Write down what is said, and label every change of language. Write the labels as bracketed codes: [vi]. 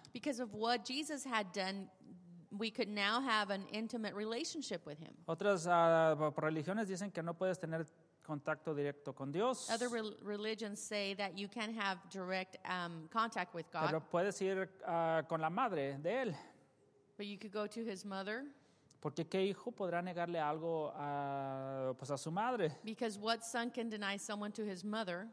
[en] Because of what Jesus had done, we could now have an intimate relationship with him. [es] Otras religiones dicen que no puedes tener contacto directo con Dios. [en] Other religions say that you can have direct contact with God. [es] Pero puedes ir con la madre de él. [en] But you could go to his mother. [es] Porque qué hijo podrá negarle algo a su madre. [en] Because what son can deny someone to his mother?